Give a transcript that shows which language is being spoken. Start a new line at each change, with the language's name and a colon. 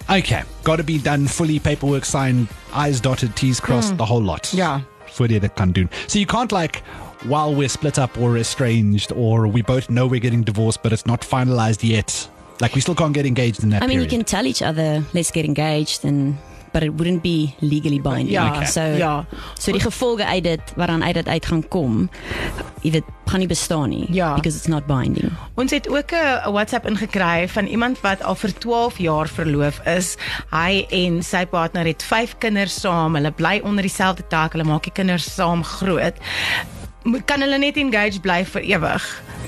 English: Okay. Got to be done fully, paperwork signed, I's dotted, T's crossed, the whole lot. Yeah. For the other kandun. So you can't like, while we're split up or estranged or we both know we're getting divorced but it's not finalized yet. Like, we still can't get engaged in that period. I mean, you can tell each other, let's get engaged, but it wouldn't be legally binding. Yeah, okay. So, yeah.
Afrikaans: So die gevolge uit dit, waaraan uit dit uit gaan kom, dit gaan nie bestaan nie,
English: yeah. Because it's not binding.
Afrikaans: Ons het ook 'n WhatsApp ingekry van iemand wat al vir 12 jaar verloof is. Hy en sy partner het 5 kinders saam, hulle bly onder dieselfde dak, hulle maak die kinders saam groot. Kan hulle net engaged bly vir ewig?